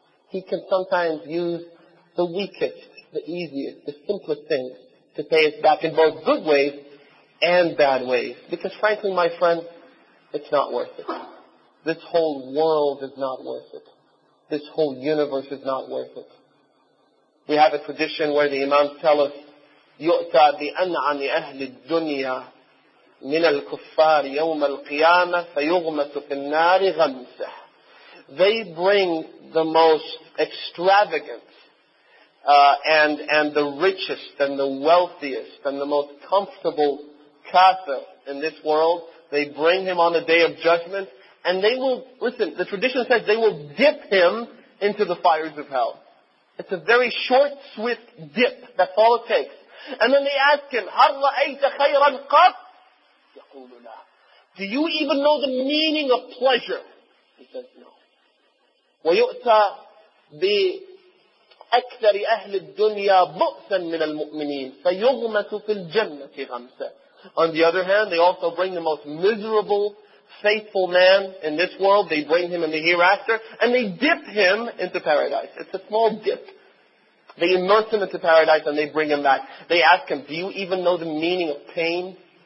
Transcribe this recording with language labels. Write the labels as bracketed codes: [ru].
[en] He can sometimes use the weakest, the easiest, the simplest thing to pay us back in both good ways and bad ways. Because frankly, my friend, it's not worth it. This whole world is not worth it. This whole universe is not worth it. We have a tradition where the imams tell us, [ar] يُؤْتَى بِأَنْعَمِ أَهْلِ الدُّنْيَا مِنَ الْكُفَّارِ يَوْمَ الْقِيَامَةِ فَيُغْمَسُ فِي النَّارِ غَمْسَةِ. [en] They bring the most extravagant and the richest and the wealthiest and the most comfortable kafir in this world, they bring him on the day of judgment, and they will, listen, the tradition says they will dip him into the fires of hell. It's a very short, swift dip. That's all it takes. And then they ask him, [ar] هَلْ رَأَيْتَ خَيْرًا قَطْ يَقُولُ لَا. [en] Do you even know the meaning of pleasure? He says, no. [ar] وَيُؤْتَى بِ أكثر أهل الدنيا بؤسا من المؤمنين فيغمس في الجنة غمسة. [en] On the other hand, they also bring the most miserable, faithful man in this world. They bring him in the hereafter, and they dip him into paradise. It's a small dip. They immerse him into paradise, and they bring him back. They ask him, "Do you even know the meaning of pain?"